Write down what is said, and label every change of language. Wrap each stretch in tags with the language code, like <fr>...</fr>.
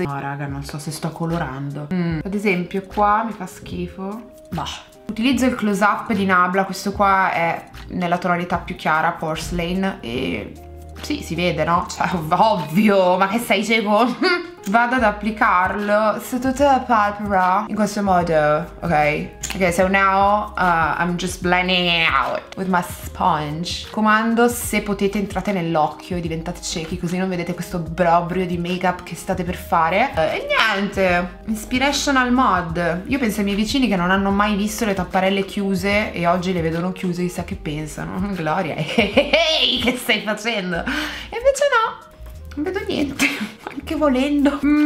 <it>No, raga, non so se sto colorando. Ad esempio qua mi fa schifo. Bah. Utilizzo il close up di Nabla. Questo qua è nella tonalità più chiara, porcelain. E sì, si vede, no? Cioè, ovvio. Ma che sei cieco? Vado ad applicarlo su tutta la palpebra in questo modo, ok?</it> <en>Ok, so now I'm just blending it out with my sponge.</en> <it>Comando, se potete entrate nell'occhio e diventate ciechi, così non vedete questo brobrio di makeup che state per fare. E niente, inspirational mod. Io penso ai miei vicini che non hanno mai visto le tapparelle chiuse e oggi le vedono chiuse, chissà che pensano. Gloria, ehi, che stai facendo? E invece no, non vedo niente, anche volendo.</it>